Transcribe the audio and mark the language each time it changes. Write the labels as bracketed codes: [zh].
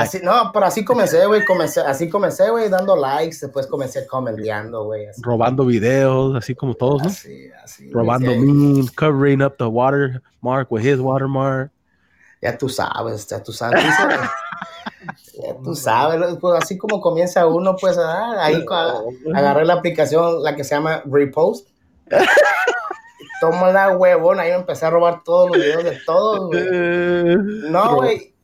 [es] Así, no, pero así comencé, güey, dando likes, después comencé comentando, güey. Robando videos, así como todos, así, ¿no? Robando memes, [en] covering up the watermark with his watermark. [es] Ya tú sabes. Dice, ya tú sabes, pues así como comienza uno, pues, agarré la aplicación, la que se llama Repost. Toma la huevona, ahí me empecé a robar todos los videos de todos, güey. No, güey.